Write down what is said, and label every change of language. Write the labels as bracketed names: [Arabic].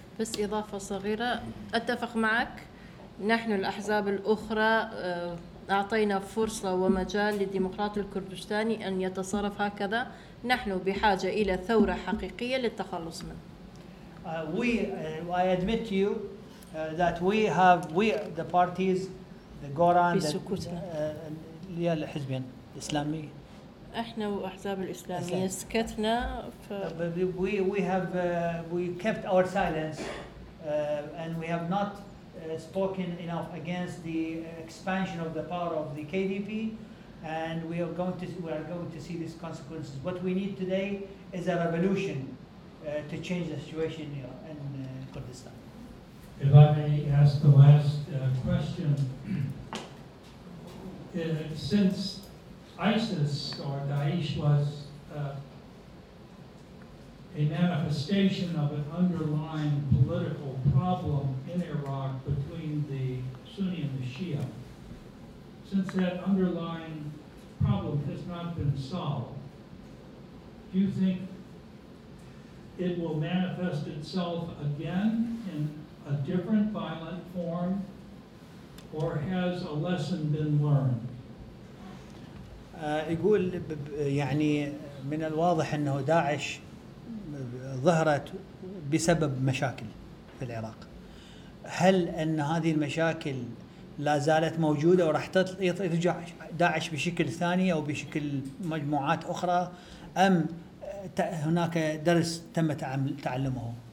[Arabic] بس إضافة صغيرة أتفق معك نحن الأحزاب الأخرى أعطينا فرصة ومجال للديمقراطي الكردستاني أن يتصرف هكذا نحن بحاجة إلى ثورة حقيقية للتخلص منه. [English] I admit to you that we the parties, the Goran, the [Arabic] الحزبين الإسلامي. إحنا وأحزاب الإسلامية سكتنا. [English] We kept our silence and we have not spoken enough against the expansion of the power of the KDP. And we are going to see these consequences. What we need today is a revolution to change the situation in Kurdistan. If I may ask the last question, since ISIS or Daesh was a manifestation of an underlying political problem in Iraq between the Sunni and the Shia, since that underlying problem has not been solved, do you think it will manifest itself again in a different violent form, or has a lesson been learned? [Arabic] يقول يعني من الواضح انه داعش ظهرت بسبب مشاكل في العراق. هل ان هذه المشاكل لا زالت موجوده وراح ترجع داعش بشكل ثاني او بشكل مجموعات اخرى، ام هناك درس تم تعلمه؟